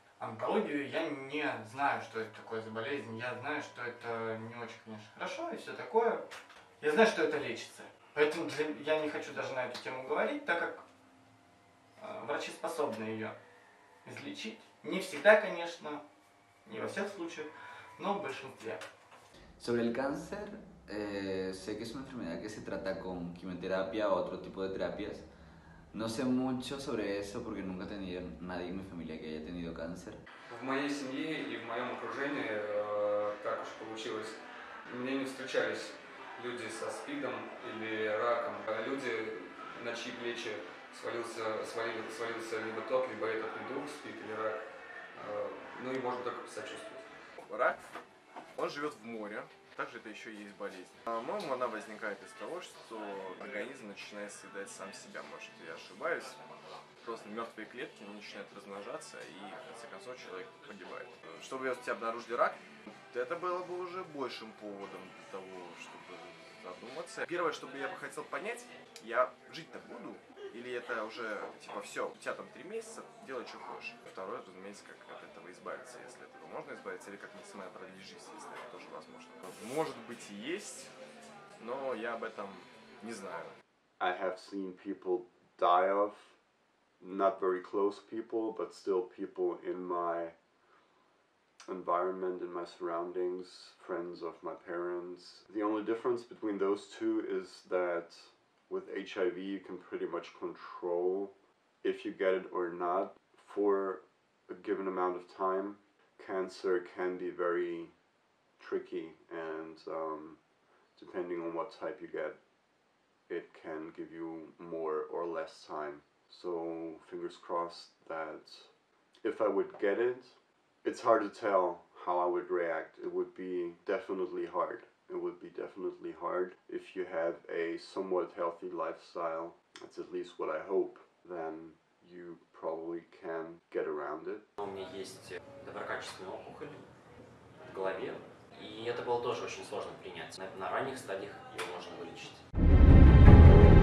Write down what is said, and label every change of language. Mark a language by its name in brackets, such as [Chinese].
[Russian] Онкологию я не знаю, что это такое за болезнь. Я знаю, что это не очень, конечно, хорошо и все такое. Я знаю, что это лечится. Поэтому я не хочу даже на эту тему говорить, так как врачи способны ее излечить. Не всегда, конечно, не во всех случаях, но в большинстве. [Spanish] Sobre el cáncer, sé que es una enfermedad que se trata con quimioterapia o otro tipo de terapias. No sé mucho sobre eso porque nunca he tenido nadie en mi familia que haya tenido cáncer. [Russian] В моей семье и в моем окружении так уж получилось, мне не встречались люди со СПИДом или раком, а люди, на чьи плечи свалился либо тот, либо этот недуг, СПИД или рак, ну и можно только посочувствовать. Рак, он живет в море, также это еще есть болезнь. По-моему, она возникает из того, что организм начинает съедать сам себя, может, я ошибаюсь. Просто мертвые клетки начинают размножаться, и в конце концов человек погибает. Чтобы тебя обнаружили рак, это было бы уже большим поводом для того, чтобы задуматься. Первое, что бы я бы хотел понять, я жить-то буду? Или это уже типа все, у тебя там 3 месяца, делай что хочешь. Второе, разумеется, как от этого избавиться, если от этого можно избавиться, или как максимально продлить жизнь, если это тоже возможно. Может быть и есть, но я об этом не знаю. [English] I have seen people die of. Not very close people, but still people in my environment, in my surroundings, friends of my parents. The only difference between those two is that with HIV you can pretty much control if you get it or not for a given amount of time. Cancer can be very tricky, and depending on what type you get, it can give you more or less time. So, fingers crossed that if I would get it, it's hard to tell how I would react. It would be definitely hard. It would be definitely hard. If you have a somewhat healthy lifestyle, that's at least what I hope, then you probably can get around it. [Russian] У меня есть доброкачественная опухоль в голове, и это было тоже очень сложно принять. На ранних стадиях ее можно вылечить.